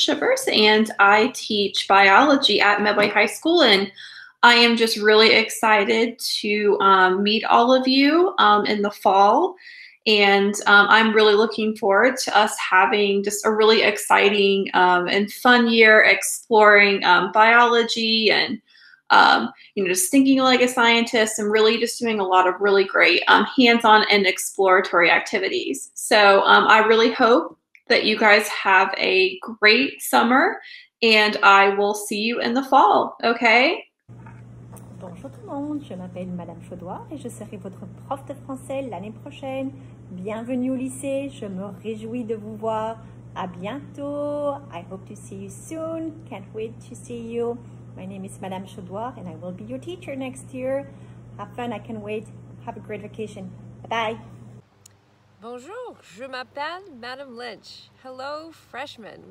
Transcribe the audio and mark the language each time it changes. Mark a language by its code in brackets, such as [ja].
[en] Shivers, and I teach biology at Medway High School, and I am just really excited to meet all of you in the fall, and I'm really looking forward to us having just a really exciting and fun year exploring biology and just thinking like a scientist and really just doing a lot of really great hands-on and exploratory activities. So I really hope that you guys have a great summer, and I will see you in the fall, okay? [fr] Bonjour tout le monde, je m'appelle Madame Chaudois et je serai votre prof de français l'année prochaine. Bienvenue au lycée, je me réjouis de vous voir. À bientôt, [en] I hope to see you soon, can't wait to see you. My name is Madame Chaudois, and I will be your teacher next year. Have fun, I can't wait. Have a great vacation. Bye-bye. [fr] Bonjour, je m'appelle Madame Lynch. [en] Hello, freshmen.